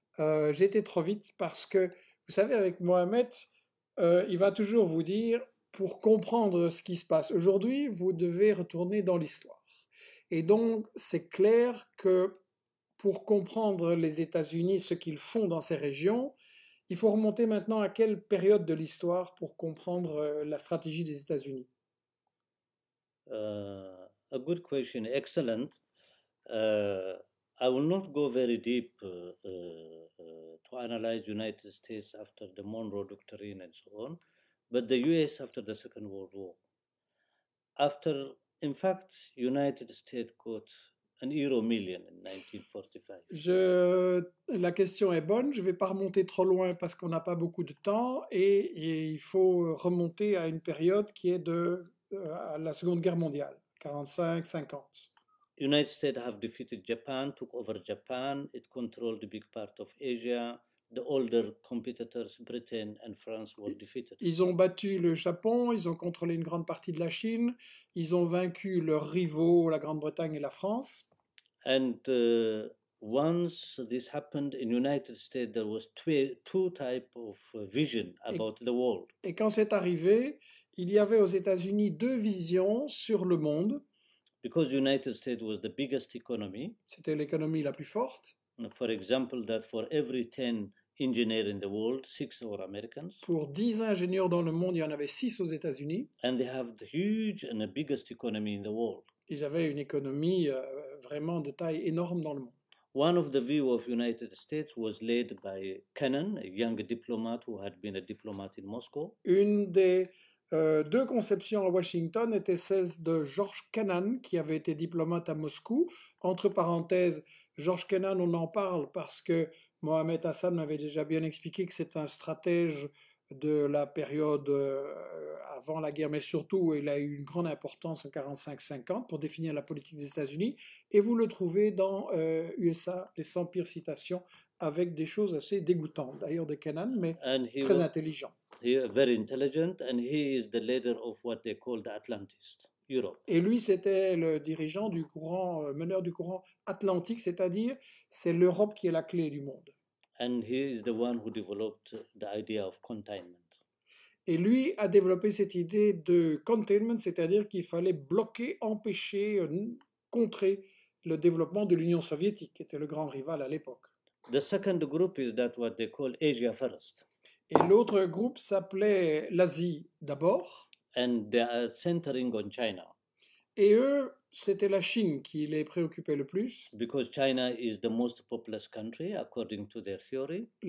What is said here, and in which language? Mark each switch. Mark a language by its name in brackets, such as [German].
[French] J'ai été trop vite parce que, vous savez, avec Mohamed, il va toujours vous dire, pour comprendre ce qui se passe aujourd'hui, vous devez retourner dans l'histoire. Et donc, c'est clair que pour comprendre les États-Unis, ce qu'ils font dans ces régions, il faut remonter maintenant à quelle période de l'histoire pour comprendre la stratégie des États-Unis. [English] A good question, excellent. I will not go very deep to analyze United States after the Monroe Doctrine and so on, but the US after the Second World War. After, in fact, United States got an Euro million in 1945. [French] La question est bonne, je ne vais pas remonter trop loin parce qu'on n'a pas beaucoup de temps et il faut remonter à une période qui est de à la Seconde Guerre mondiale, 45-50. [English] United States have defeated Japan, took over Japan, it controlled a big part of Asia. The older competitors, Britain and France, were defeated. [French] Ils ont battu le Japon, ils ont contrôlé une grande partie de la Chine, ils ont vaincu leurs rivaux, la Grande-Bretagne et la France. [English] And once this happened in United States, there was two types of vision about the world. [French] Et quand c'est arrivé, il y avait aux États-Unis deux visions sur le monde. [English] Because the United States was the biggest economy, [French] C'était l'économie la plus forte. [English] for example, that for every 10 engineers in the world, 6 were Americans, [French] Pour 10 ingénieurs dans le monde, il y en avait 6 aux États-Unis. [English] and they have the huge and the biggest economy in the world. [French] Ils avaient une économie vraiment de taille énorme dans le monde. [English] One of the views of the United States was led by Kennan, a young diplomat who had been a diplomat in Moscow. [French] Une des deux conceptions à Washington était celle de George Kennan, qui avait été diplomate à Moscou. Entre parenthèses, George Kennan, on en parle parce que Mohamed Hassan m'avait déjà bien expliqué que c'est un stratège de la période avant la guerre, mais surtout, il a eu une grande importance en 45-50 pour définir la politique des États-Unis. Et vous le trouvez dans USA, les 100 pires citations, avec des choses assez dégoûtantes, d'ailleurs, de Kennan, mais [English] And he [French] très [English] was intelligent. he very intelligent, and he is the leader of what they call the Atlantists. Europe. [French] Et lui, c'était le dirigeant du courant, meneur du courant atlantique, c'est-à-dire c'est l'Europe qui est la clé du monde. [English] And he is the one who developed the idea of containment. [French] Et lui a développé cette idée de containment, c'est-à-dire qu'il fallait bloquer, empêcher, contrer le développement de l'Union soviétique, qui était le grand rival à l'époque. [English] The second group is that what they call Asia First. [French] Et l'autre groupe s'appelait l'Asie d'abord. [English] And they are centering on China. [French] Et eux, c'était la Chine qui les préoccupait le plus. [English] Because China is the most populous country, according to their theory.